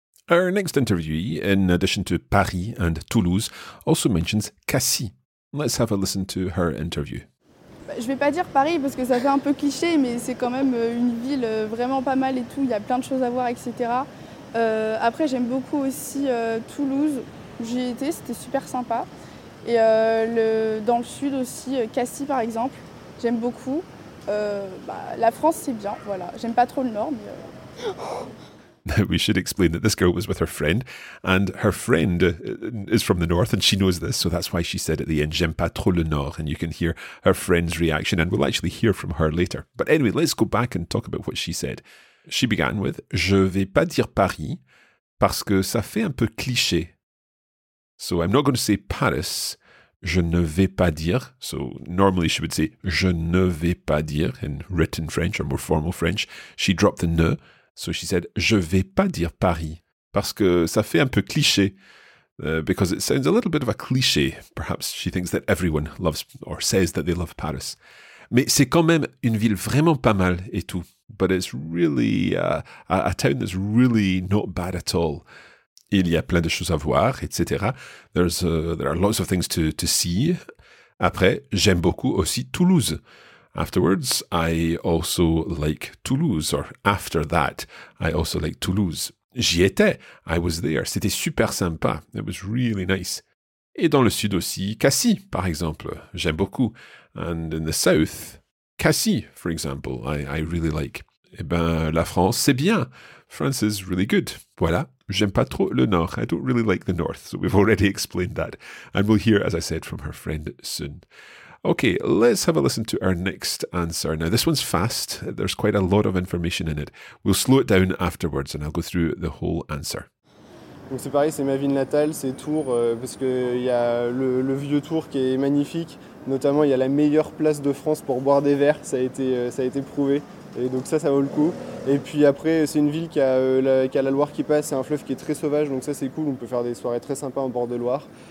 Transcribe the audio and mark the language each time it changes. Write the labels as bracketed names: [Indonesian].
[English] Our next interviewee, in addition to Paris and Toulouse, also mentions Cassis. Let's have a listen to her interview. [French] Je ne vais pas dire Paris parce que ça fait un peu cliché, mais c'est quand même une ville vraiment pas mal et tout. Il y a plein de choses à voir, etc. Après, j'aime beaucoup aussi Toulouse. J'y ai été, c'était super sympa. Et dans le sud aussi, Cassis par exemple, j'aime beaucoup. La France, c'est bien, voilà. J'aime pas trop le nord, mais... [English] Now, we should explain that this girl was with her friend, and her friend is from the north, and she knows this, so that's why she said at the end, j'aime pas trop le nord, and you can hear her friend's reaction, and we'll actually hear from her later. But anyway, let's go back and talk about what she said. She began with, je vais pas dire Paris, parce que ça fait un peu cliché. So I'm not going to say Paris, je ne vais pas dire. So normally she would say, je ne vais pas dire, in written French or more formal French. She dropped the ne. So she said, je vais pas dire Paris, parce que ça fait un peu cliché, because it sounds a little bit of a cliché. Perhaps she thinks that everyone loves or says that they love Paris. [French] Mais c'est quand même une ville vraiment pas mal et tout. [English] But it's really a town that's really not bad at all. [French] Il y a plein de choses à voir, etc. [English] There are lots of things to see. Après, j'aime beaucoup aussi Toulouse. Afterwards, I also like Toulouse, or after that, I also like Toulouse. J'y étais, I was there, c'était super sympa, it was really nice. [French] Et dans le sud aussi, Cassis, par exemple, j'aime beaucoup. [English] And in the south, Cassis, for example, I really like. Eh ben, la France, c'est bien, France is really good. Voilà, j'aime pas trop le nord, I don't really like the north, so we've already explained that. And we'll hear, as I said, from her friend soon. Okay, let's have a listen to our next answer. Now, this one's fast. There's quite a lot of information in it. We'll slow it down afterwards and I'll go through the whole answer. [French] Donc c'est pareil, c'est ma ville natale, c'est Tours, parce qu'il y a le vieux Tours qui est magnifique. Notamment, il y a la meilleure place de France pour boire des verres, ça a été prouvé. Et donc ça vaut le coup. Et puis après, c'est une ville qui a la Loire qui passe, c'est un fleuve qui est très sauvage, donc ça c'est cool, on peut faire des soirées très sympas en bord de Loire.